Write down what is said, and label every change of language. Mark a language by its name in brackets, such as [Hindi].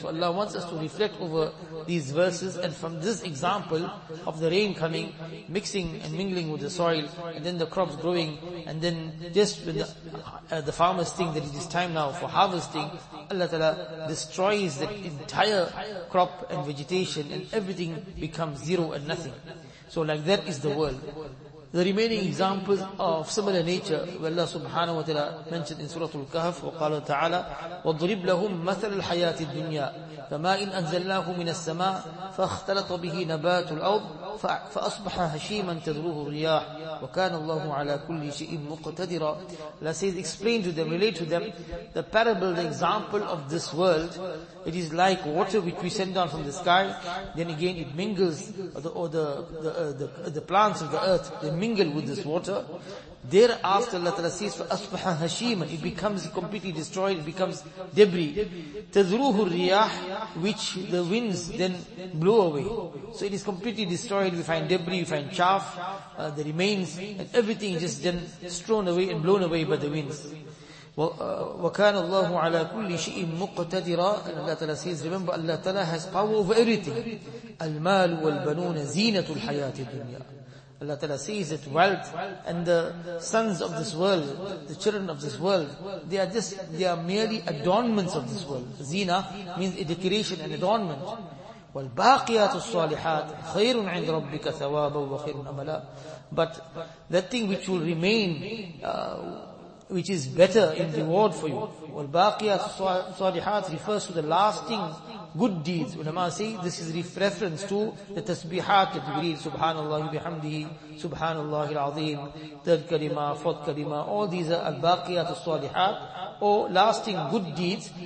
[English] So Allah wants us to reflect over these verses, and from this example of the rain coming, mixing and mingling with the soil, and then the crops growing, and then just when the farmers think that it is time now for harvesting, Allah Ta'ala destroys the entire crop and vegetation, and everything becomes zero and nothing. So like that is the world. The remaining examples are of similar nature, where Allah subhanahu wa ta'ala mentioned in Surah Al-Kahf, [Arabic] وَقَالَ تَعَالَى وَضْرِبْ لَهُمْ مَثَلَ الْحَيَاةِ الدُّنْيَا فَمَا إِنْ أَنْزَلْنَاهُ مِنَ السَّمَاءِ فَاخْتَلَطَ بِهِ نَبَاتُ الْأَرْضِ فَأَصْبَحَ هَشِيمًا تَذْرُوهُ الرِّيَاحُ وَكَانَ اللَّهُ عَلَى كُلِّ شَيْءٍ مُقْتَدِرًا. [English] Allah says, explain to them, relate to them the parable, the example of this world. It is like water which we send down from the sky, then again it mingles, the plants of the earth, they mingle with this water. Thereafter Allah Ta'ala says, [Arabic] فَأَصْبَحَ هَشِيمًا, [English] it becomes completely destroyed, it becomes debris. [Arabic] تَذْرُوهُ الرِّيَاحُ, [English] which the winds then blow away. So it is completely destroyed, we find debris, we find chaff, the remains, and everything just then thrown away and blown away by the winds. [Arabic] وَكَانَ اللَّهُ عَلَى كُلِّ شِئٍ مُقْتَدِرًا. [English] And Allah Ta'ala says, remember Allah Ta'ala has power over everything. [Arabic] المال والبنون زينة الحياة الدنيا. [English] Allah Ta'ala says that wealth and the sons of this world, the children of this world, they are merely adornments of this world. Zina means a decoration and adornment. [Arabic] وَالْبَاقِيَاتُ الصَّالِحَاتِ خَيْرٌ عِنْدَ رَبِّكَ ثَوَابًا وَخَيْرٌ أَمَلًا. [English] But that thing which will remain which is better in reward for you. Walbaqiyat salihat refers to the lasting good deeds. Ulama say this is reference to the tasbihat that you read. [Arabic] Subhanallah bihamdihi, subhanallah al-azim, [English] third kalima, fourth kalima. All these are albaqiyat salihat, or lasting good deeds.